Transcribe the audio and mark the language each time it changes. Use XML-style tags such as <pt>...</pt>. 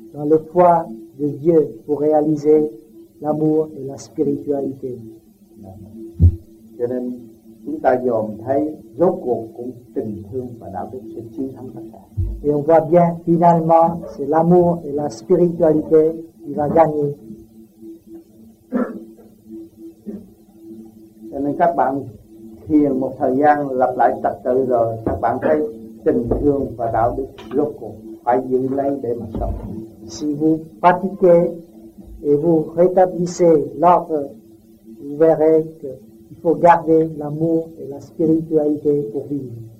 <fr>Dans le foi de Dieu pour réaliser l'amour et la spiritualité.</fr> <vi>Cho nên chúng ta dòm thấy rốt cuộc cũng tình thương và đạo đức sẽ chiến thắng tất cả.</vi> <fr>Et on voit bien, finalement, c'est l'amour et la spiritualité qui va gagner.</fr> <vi>Cho nên các bạn thiền một thời gian lặp lại trật tự rồi, các bạn thấy tình thương và đạo đức rốt cuộc phải giữ lấy để mà sống.</vi> <fr>Si vous pratiquez et vous rétablissez l'ordre, vous verrez qu'il faut garder l'amour et la spiritualité pour vivre.</fr>